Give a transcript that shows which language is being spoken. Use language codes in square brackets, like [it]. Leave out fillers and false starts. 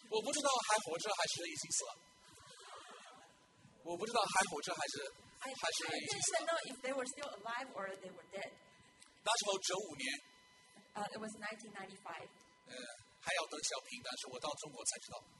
[zh] 我不知道还活着还是已经死了。我不知道还活着还是还是已经死了。 [en] I didn't know if they were still alive or they were dead. [zh] 那时候九五年。 [en] It was 1995. [zh] 还要邓小平，但是我到中国才知道。